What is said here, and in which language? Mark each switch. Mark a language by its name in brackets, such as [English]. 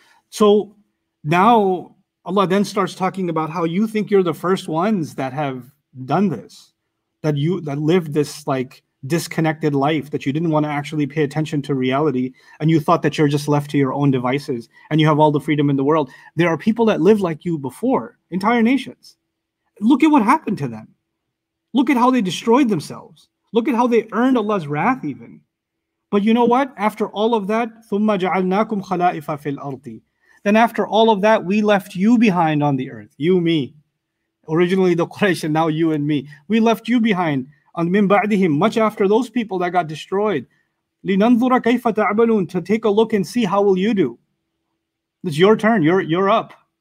[English] So now Allah then starts talking about how you think you're the first ones that have done this, that you that lived this like disconnected life, that you didn't want to actually pay attention to reality, and you thought that you're just left to your own devices and you have all the freedom in the world. There are people that live like you before, entire nations. Look at what happened to them. Look at how they destroyed themselves. Look at how they earned Allah's wrath even. But you know what? After all of that, [Arabic] ثُمَّ جَعَلْنَاكُمْ خَلَائِفَ فِي الْأَرْضِ. [English] Then after all of that, we left you behind on the earth. You, me. Originally the Quraysh, and now you and me. We left you behind on [Arabic] مِنْ بَعْدِهِمْ, [English] much after those people that got destroyed. [Arabic] لِنَنْظُرَ كَيْفَ تَعْبَلُونَ, [English] to take a look and see how will you do. It's your turn. You're up.